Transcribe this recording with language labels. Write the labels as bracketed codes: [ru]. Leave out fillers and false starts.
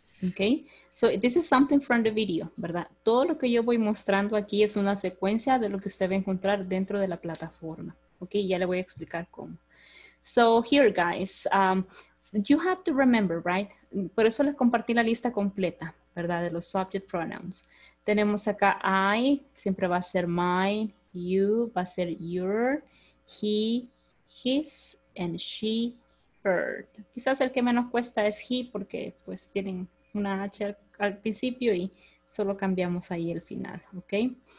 [en] Okay, so this is something from the video, [es] ¿verdad? Todo lo que yo voy mostrando aquí es una secuencia de lo que usted va a encontrar dentro de la plataforma. Okay, ya le voy a explicar cómo. [en] So here guys, you have to remember, right? [es] Por eso les compartí la lista completa, ¿verdad? De los subject pronouns. Tenemos acá I, siempre va a ser my, you, va a ser your, he, his, and she, her. Quizás el que menos cuesta es he porque pues tienen una H al principio y solo cambiamos ahí el final, ¿ok?